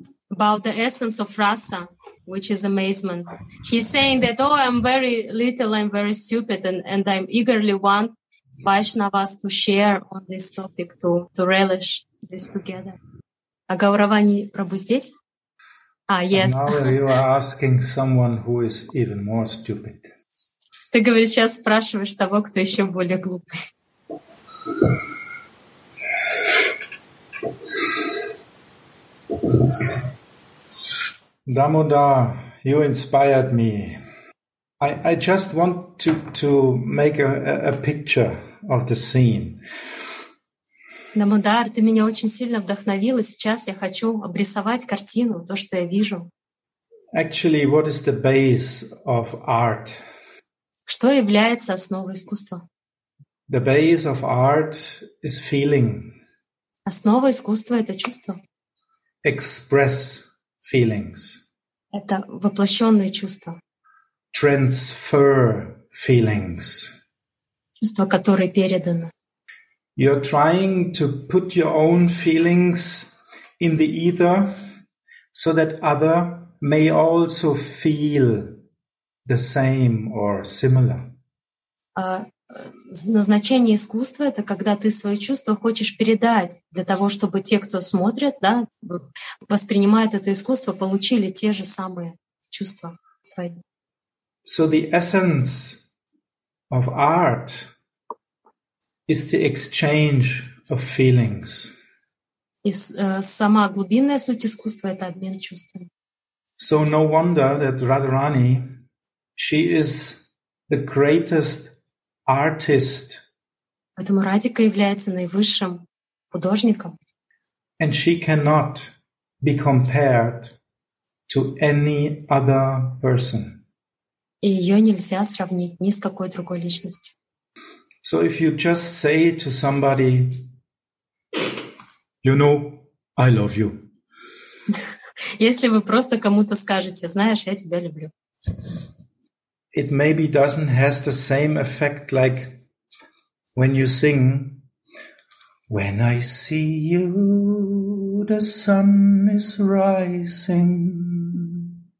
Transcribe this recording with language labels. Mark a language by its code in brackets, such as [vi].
[en] About the essence of rasa, which is amazement. He's saying that, oh, I'm very little, I'm very stupid, and I eagerly want Vaishnavas to share on this topic, to relish this together. [ru] А Гауравани Прабху здесь? [en] А, yes. Now you are asking someone who is even more stupid. [ru] Ты говоришь, сейчас спрашиваешь того, кто еще более глупый. [en] Дамодар, you inspired me. I just want to make a picture of the scene. [ru] Дамодар, ты меня очень сильно вдохновил, и сейчас я хочу обрисовать картину, то, что я вижу. [en] Actually, what is the base of art? [ru] Что является основой искусства? [en] The base of art is feeling. [ru] Основа искусства — это чувство. [en] Express feelings. [ru] Это воплощенные чувства. [en] Transfer feelings. [ru] Чувства, которые переданы. [en] You're trying to put your own feelings in the ether so that other may also feel the same or similar. [ru] назначение искусства — это когда ты свои чувства хочешь передать для того, чтобы те, кто смотрят, да, воспринимают это искусство, получили те же самые чувства твои. [en] So the essence of art is the exchange of feelings. [ru] И сама глубинная суть искусства — это обмен чувствами. [en] So no wonder that Radharani, she is the greatest artist. [ru] Поэтому Радика является наивысшим художником. [en] And she cannot be compared to any other person. [ru] И ее нельзя сравнить ни с какой другой личностью. [en] So if you just say to somebody, you know, I love you. [ru] Если вы просто кому-то скажете, знаешь, я тебя люблю. [en] It maybe doesn't have the same effect like when you sing, when I see you, the sun is rising.